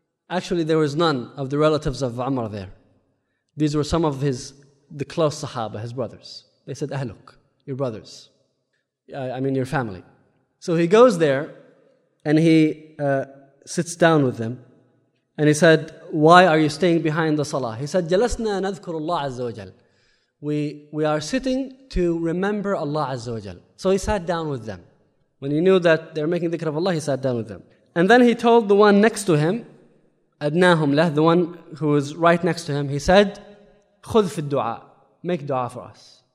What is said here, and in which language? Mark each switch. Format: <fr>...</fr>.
<en>Actually, there was none of the relatives of Umar there. These were some of the close sahaba, his brothers. They said, أَهْلُكَ, your brothers. Your family. So he goes there, and he sits down with them. And he said, why are you staying behind the salah? He said,</en> <ar>جَلَسْنَا نَذْكُرُ اللَّهَ عَزَّ وَجَلْ.</ar> <en>We are sitting to remember Allah Azza wa Jal. So he sat down with them. When he knew that they're making dhikr of Allah, he sat down with them. And then he told the one next to him, Adnahum lah, the one who was right next to him, he said,</en> <ar>خُذْ فِي الدُّعَى,</ar> <en>make dua for us.</en>